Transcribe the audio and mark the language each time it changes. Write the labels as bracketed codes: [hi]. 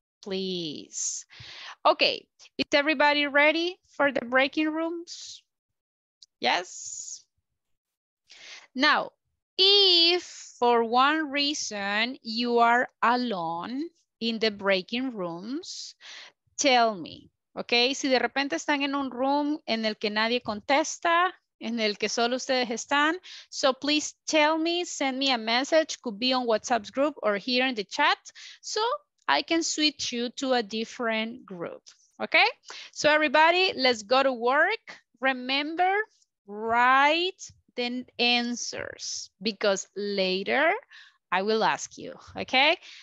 [en] Please. Okay, is everybody ready for the breaking rooms? Yes? Now, if for one reason you are alone in the breaking rooms, tell me, okay? [es] Si de repente están en un room en el que nadie contesta, en el que solo ustedes están. [en] So please tell me, send me a message, could be on WhatsApp's group or here in the chat, so I can switch you to a different group, okay? So everybody, let's go to work. Remember, write the answers because later I will ask you, okay?